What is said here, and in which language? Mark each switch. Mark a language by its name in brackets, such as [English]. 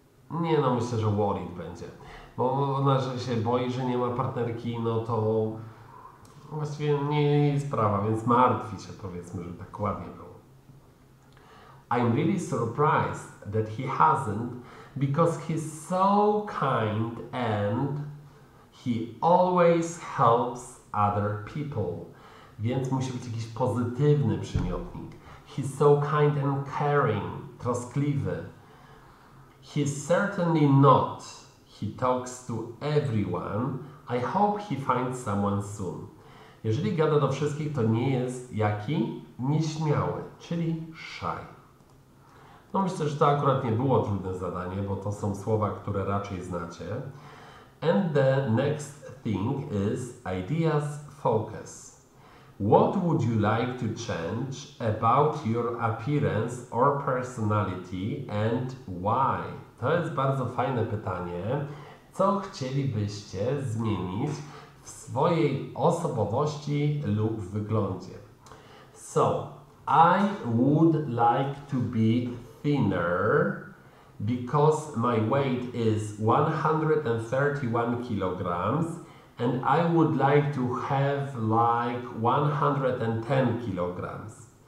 [Polish] Nie, no myślę, że worried będzie. Bo ona, że się boi, że nie ma partnerki, no to Właściwie nie jest sprawa, więc martwi się, powiedzmy, że tak ładnie było. [English] I'm really surprised that he hasn't, because he's so kind and he always helps other people. [Polish] Więc musi być jakiś pozytywny przymiotnik. [English] He's so kind and caring, troskliwy. He's certainly not. He talks to everyone. I hope he finds someone soon. [Polish] Jeżeli gada do wszystkich, to nie jest jaki? Nieśmiały, czyli shy. No myślę, że to akurat nie było trudne zadanie, bo to są słowa, które raczej znacie. [English] And the next thing is ideas focus. What would you like to change about your appearance or personality and why? [Polish] To jest bardzo fajne pytanie. Co chcielibyście zmienić w swojej osobowości lub wyglądzie? [English] So, I would like to be thinner because my weight is 131 kilograms and I would like to have like 110 kilograms.